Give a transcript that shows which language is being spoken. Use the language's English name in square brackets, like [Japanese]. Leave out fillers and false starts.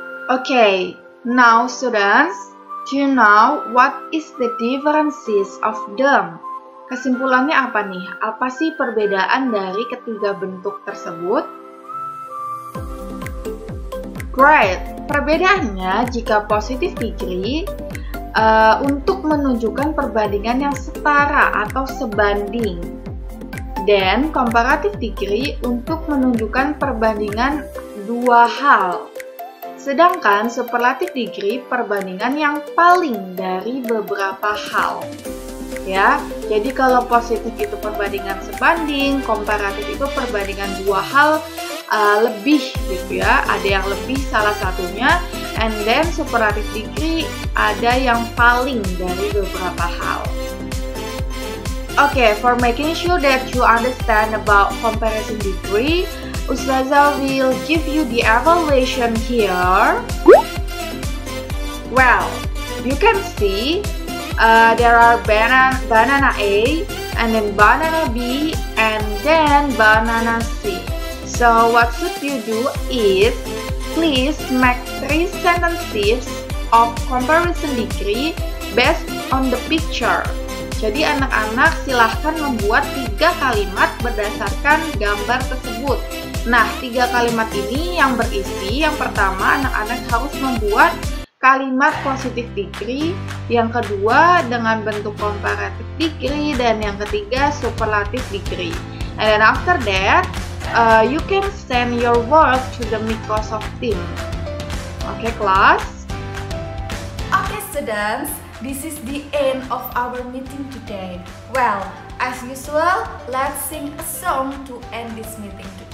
[English] Okay, now students, do you know what is the differences of them? [Indonesian] Kesimpulannya apa nih? Apa sih perbedaan dari ketiga bentuk tersebut? [English] Great, [Indonesian] perbedaannya jika positive degree untuk menunjukkan perbandingan yang setara atau sebanding. Dan comparative degree untuk menunjukkan perbandingan dua hal. Sedangkan superlative degree perbandingan yang paling dari beberapa hal. Ya, jadi kalau positif itu perbandingan sebanding, komparatif itu perbandingan dua hal lebih gitu ya. Ada yang lebih salah satunya, [English] and then [Indonesian] superlative degree ada yang paling dari beberapa hal. [English] Okay, for making sure that you understand about comparison degree, Ustazah will give you the evaluation here. Well, you can see there are banana A, and then banana B, and then banana C. So what should you do is, please make three sentences of comparison degree based on the picture. [Indonesian] Jadi anak-anak silahkan membuat tiga kalimat berdasarkan gambar tersebut. Nah, tiga kalimat ini yang berisi, yang pertama anak-anak harus membuat kalimat positif degree, yang kedua dengan bentuk komparatif degree, dan yang ketiga superlatif degree. [English] And then after that, you can send your work to the Microsoft team. Okay, class? Okay, students, this is the end of our meeting today. Well, as usual, let's sing a song to end this meeting.